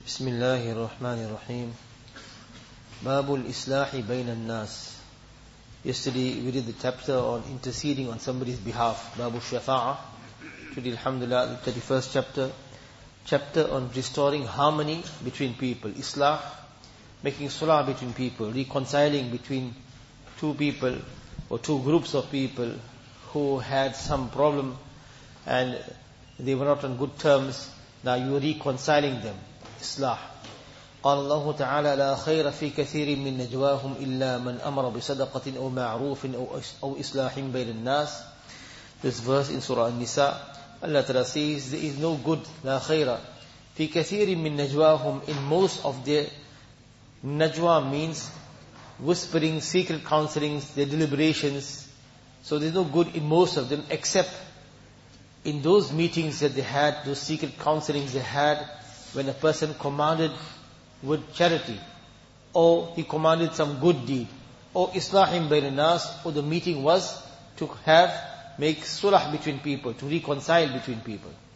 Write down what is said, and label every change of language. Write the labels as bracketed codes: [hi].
[ar] بسم الله الرحمن الرحيم باب الإصلاح بين الناس. [en] Yesterday we read the chapter on interceding on somebody's behalf, [ar] باب الشفاعة. [en] Today alhamdulillah, the 31st chapter on restoring harmony between people, إصلاح, making صلاح between people, reconciling between two people or two groups of people who had some problem and they were not on good terms. Now you are reconciling them. [ar] إصلاح. قال الله تعالى لا خير في كثير من نجواهم إلا من أمر بصدقة أو معروف أو إصلاح بين الناس. [en] This verse in Surah An-Nisa, Allah Ta'ala says there is no good, [ar] لا خير في كثير من نجواهم, [en] in most of their najwa means whispering, secret counselings, their deliberations. So there is no good in most of them except in those meetings that they had, those secret counselings they had, when a person commanded with charity, or he commanded some good deed, or [ar] islahim bayna nas, [en] or the meeting was to make sulah between people, to reconcile between people.